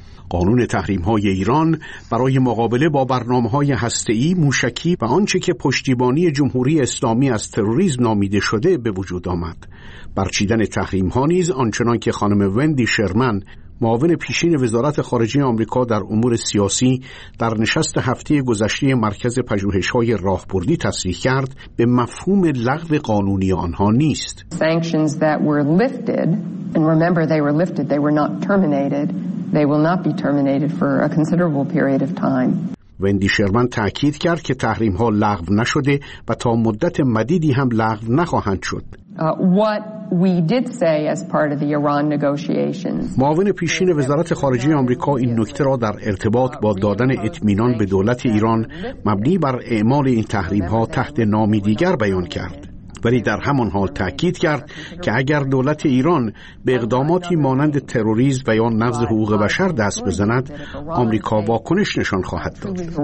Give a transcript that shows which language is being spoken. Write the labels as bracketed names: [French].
[Persian] قانون تحریم‌های ایران برای مقابله با برنامه‌های هسته‌ای، موشکی و آنچه که پشتیبانی جمهوری اسلامی از تروریسم نامیده شده به وجود آمد. برچیدن تحریم‌ها نیز آنچنان که خانم وندی شرمن معاون پیشین وزارت خارجه آمریکا در امور سیاسی در نشست هفته گذشته مرکز پژوهش‌های راهبردی تصریح کرد به مفهوم لغو قانونی آنها نیست. [English] Sanctions that were lifted and remember they were lifted they were not terminated they will not be terminated for a considerable period of time. [Persian] وندی شرمن تأکید کرد که تحریم‌ها لغو نشده و تا مدت مدیدی هم لغو نخواهند شد. [English] What we did say as part of the Iran negotiations. [Persian] معاون پیشین وزارت خارجه آمریکا این نکته را در ارتباط با دادن اطمینان به دولت ایران مبنی بر اعمال این تحریم‌ها تحت نامی دیگر بیان کرد. ولی در همان حال تأکید کرد که اگر دولت ایران به اقداماتی مانند تروریسم و یا نقض حقوق بشر دست بزند، آمریکا واکنش نشان خواهد داد.